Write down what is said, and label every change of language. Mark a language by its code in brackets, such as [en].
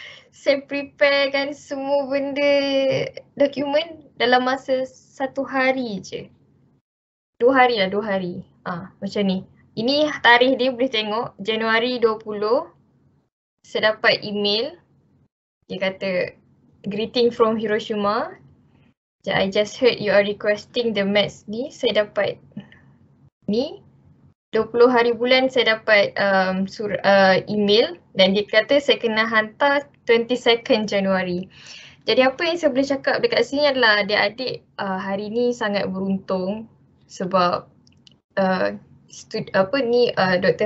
[ms] Saya preparekan semua benda dokumen dalam masa satu hari je. Dua hari. Ah, macam ni. Ini tarikh dia, boleh tengok. Januari 20, saya dapat email. Dia kata, [en] greeting from Hiroshima. I just heard you are requesting the meds ni. [ms] Saya dapat ni. 20 hari bulan saya dapat email. Dan dia kata saya kena hantar 22 Januari. Jadi apa yang saya boleh cakap dekat sini adalah adik-adik hari ni sangat beruntung. Sebab Dr.